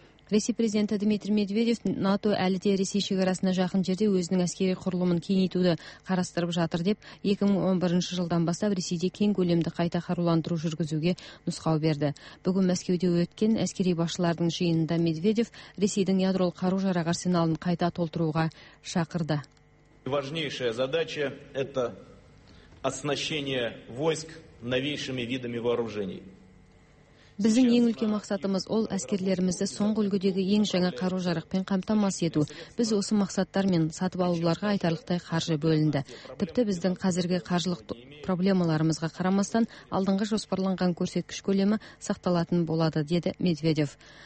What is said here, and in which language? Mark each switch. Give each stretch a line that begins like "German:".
Kazakh: Ресей президенті Дмитрий Медведев НАТО әлі де Ресей шекарасына жақын жерде өзінің әскери құрылымын кеңейтуді қарастырып жатыр деп 2011 жылдан бастап Ресейде кең көлемді қайта қаруландыру жүргізуге нұсқау берді. Бүгін Мәскеуде өткен әскери басшылардың жиынында Медведев Ресейдің ядролық қару-жарақ арсеналын қайта толтыруға шақырды.
Russian: Важнейшая задача это оснащение войск новейшими видами вооружений.
Kazakh: Біздің ең үлкен мақсатымыз ол әскерлерімізді соңғы үлгідегі ең жаңа қару-жарақпен қамтамасыз ету. Біз осы мақсаттар мен сатып алуларға айтарлықтай қаржы бөлінді. Тіпті біздің қазіргі қаржылық проблемаларымызға қарамастан, алдыңғы жоспарланған көрсеткіш көлемі сақталатын болады, деді Медведев.